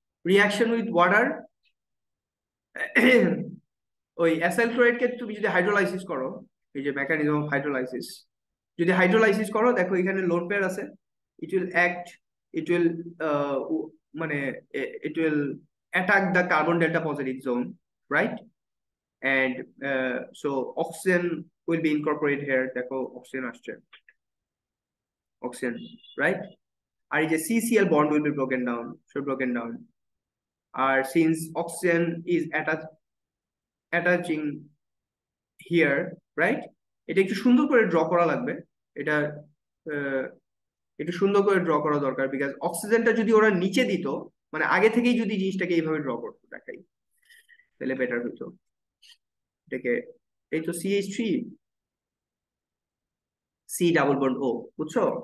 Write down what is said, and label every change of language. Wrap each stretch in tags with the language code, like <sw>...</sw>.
<en>reaction with water, ওই acyl chloride</en> <bn>কে তুমি যদি হাইড্রোলাইসিস করো, এই যে</bn> <en>mechanism of hydrolysis,</en> <bn>যদি হাইড্রোলাইসিস করো, দেখো এখানে লোন পেয়ার আছে,</bn> <en>it will act, it will</en> <bn>মানে</bn> <en>it will attack the carbon delta positive zone right, and so oxygen will be incorporate here,</en> <bn>দেখো অক্সিজেন আসছে,</bn> <en>oxygen, right? And the CCl bond will be broken down, should broken down. And since oxygen is attaching here, right?</en> <bn>এটা একটু সুন্দর করে draw করা লাগবে, এটা একটু সুন্দর করে ড্র করা দরকার, বিকজ অক্সিজেনটা যদি ওরা নিচে দিত, মানে আগে থেকেই যদি জিনিসটাকে এইভাবে ড্র করতো দেখাই তাহলে বেটার হতো। এটাকে এই তো CH3 সি ডাবল বন্ড ও, বুঝছো?</bn>